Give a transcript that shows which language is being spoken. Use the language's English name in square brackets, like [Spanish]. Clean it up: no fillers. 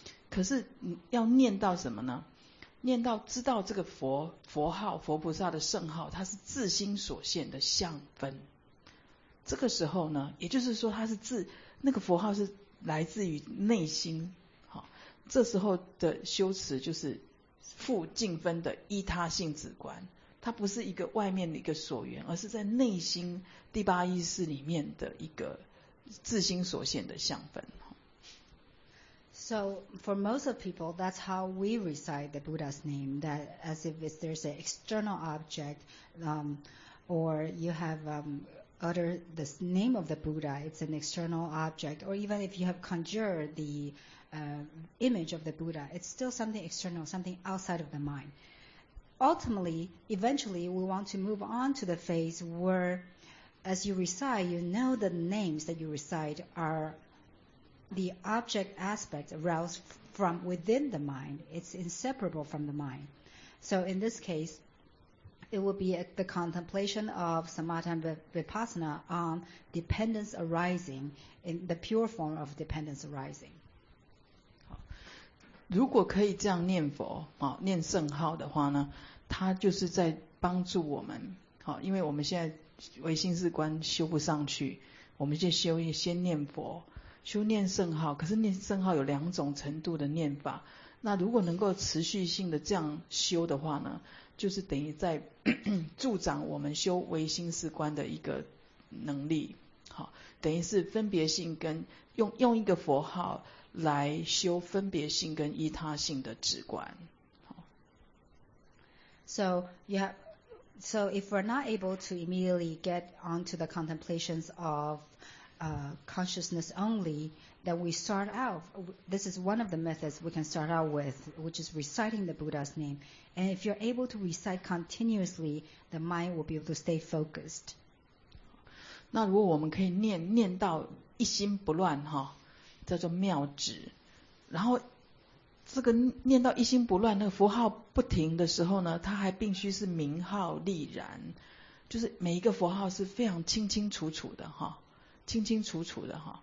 [Chinese] 可是要念到什么呢？念到知道这个佛号佛菩萨的圣号，它是自心所现的相分，这个时候呢，也就是说它是自那个佛号是来自于内心，好，这时候的修持就是复净分的依他性止观，它不是一个外面的一个所缘，而是在内心第八意识里面的一个自心所现的相分。 [English] So for most of people, that's how we recite the Buddha's name, that as if there's an external object, or you have uttered the name of the Buddha, it's an external object, or even if you have conjured the image of the Buddha, it's still something external, something outside of the mind. Ultimately, eventually, we want to move on to the phase where, as you recite, you know the names that you recite are the object aspect aroused from within the mind. It's inseparable from the mind. So in this case, it will be at the contemplation of samatha and vipassana on dependence arising, in the pure form of dependence arising. [Chinese] 如果可以这样念佛，念圣号的话呢，它就是在帮助我们，因为我们现在唯心是观修不上去，我们就先念佛，修念圣号。可是念圣号有两种程度的念法，那如果能够持续性的这样修的话呢，就是等于在助长我们修唯心是观的一个能力，好，等于是分别性跟用一个佛号来修分别性跟依他性的止观。好， [English] So yeah, so if we're not able to immediately get onto the contemplations ofconsciousness only, that we start out, this is one of the methods we can start out with, which is reciting the Buddha's name. And if you're able to recite continuously, the mind will be able to stay focused. [Chinese] 那如果我们可以念到一心不乱，叫做妙止，然后这个念到一心不乱，那个佛号不停的时候呢，它还必须是名号立然，就是每一个佛号是非常清清楚楚的，清清楚楚的，